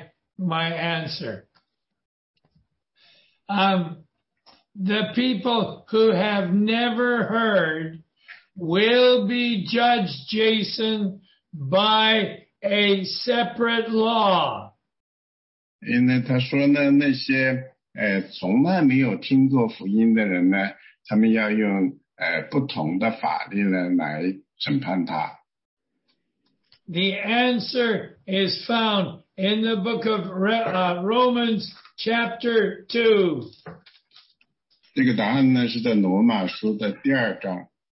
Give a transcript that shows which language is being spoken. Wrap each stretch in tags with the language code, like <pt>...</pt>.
<en>I got to restate my answer. The people who have never heard will be judged, Jason, by a separate law.</en> <zh>因为他说呢，那些从来没有听过福音的人呢，他们要用不同的法律呢来审判他。</zh> <en>The answer is found in the book of Romans chapter 2.</en> <zh>这个答案呢是在罗马书的第二章。</zh>